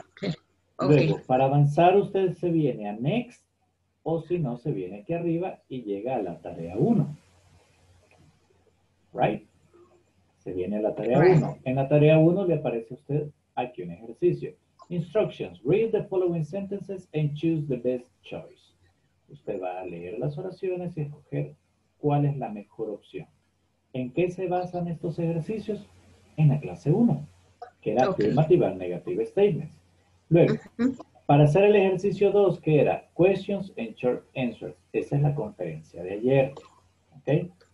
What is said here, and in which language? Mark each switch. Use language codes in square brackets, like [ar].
[en] Okay. Okay. [es] Luego, para avanzar, usted se viene a Next o si no, se viene aquí arriba y llega a la tarea 1. ¿Right? Se viene a la tarea 1. En la tarea 1 le aparece a usted aquí un ejercicio. [en] Instructions. Read the following sentences and choose the best choice. [es] Usted va a leer las oraciones y escoger ¿cuál es la mejor opción? ¿En qué se basan estos ejercicios? En la clase 1, que era [en] affirmative and negative statements. [es] Luego, para hacer el ejercicio 2, que era [en] questions and short answers, [es] esa es la conferencia de ayer, ¿ok?